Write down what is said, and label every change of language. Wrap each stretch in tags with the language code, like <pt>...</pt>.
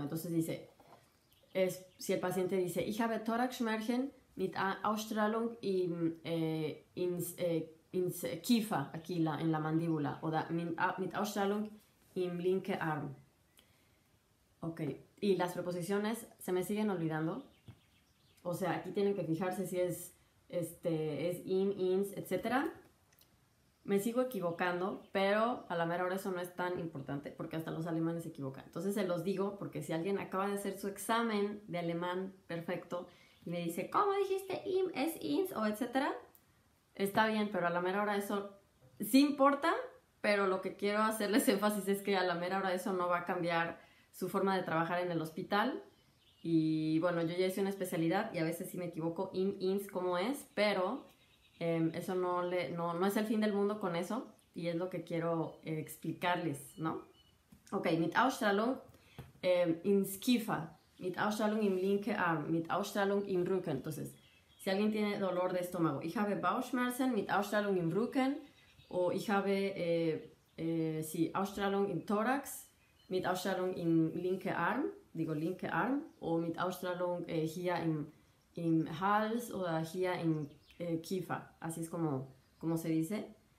<es>Entonces dice, es, si el paciente dice,</es> <de>ich habe Thoraxschmerzen mit Ausstrahlung ins Kiefer,</de> <es>aquí la, en la mandíbula, o</es> <de>mit Ausstrahlung im linke Arm.</de> <es>Ok, y las preposiciones se me siguen olvidando. O sea, aquí tienen que fijarse si es, este, es im, ins, etc. Me sigo equivocando, pero a la mera hora eso no es tan importante porque hasta los alemanes se equivocan. Entonces se los digo porque si alguien acaba de hacer su examen de alemán perfecto y me dice, ¿cómo dijiste im, es ins o etcétera? Está bien, pero a la mera hora eso sí importa, pero lo que quiero hacerles énfasis es que a la mera hora eso no va a cambiar su forma de trabajar en el hospital. Y bueno, yo ya hice una especialidad y a veces sí me equivoco, im, ins, ¿cómo es? Pero... eso no, le, no, no es el fin del mundo con eso y es lo que quiero explicarles, ¿no?</es> <de>Ok, mit Ausstrahlung ins Kiefer, mit Ausstrahlung im linke Arm, mit Ausstrahlung im Rücken.</de> <es>Entonces, si alguien tiene dolor de estómago,</es> <de>ich habe Bauchschmerzen mit Ausstrahlung im Rücken</de> <es>o ich habe sí,</es> <de>Ausstrahlung im Thorax mit Ausstrahlung im linke Arm, digo linke Arm, o mit Ausstrahlung hier im Hals o hier im Kiefer,</de> <es>así es como se dice.</es>